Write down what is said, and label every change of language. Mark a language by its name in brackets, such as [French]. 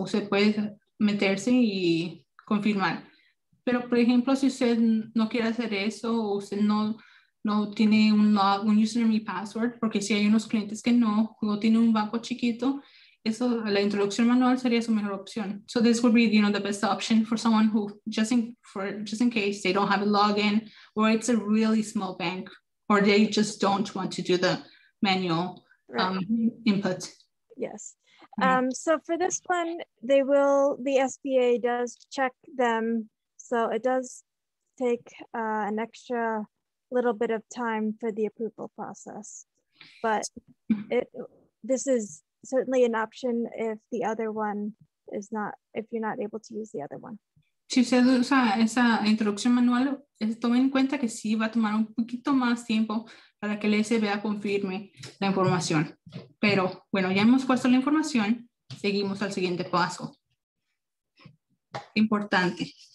[Spanish] Usted puede meterse y confirmar. Pero, por ejemplo, si usted no quiere hacer eso o usted no tiene un username y password, porque si hay unos clientes que no tiene un banco chiquito eso, la introducción manual sería su mejor opción. [English] So this would be, you know, the best option for someone who just in case they don't have a login, or it's a really small bank, or they just don't want to do the manual input. Yes. So for this one, they will, the SBA does check them. So it does take an extra little bit of time for the approval process. But this is certainly an option if the other one is not, if you're not able to use the other one. [Spanish] Si usted usa esa introducción manual, tome en cuenta que sí va a tomar un poquito más tiempo para que el SBA confirme la información. Pero bueno, ya hemos puesto la información, seguimos al siguiente paso. Importante.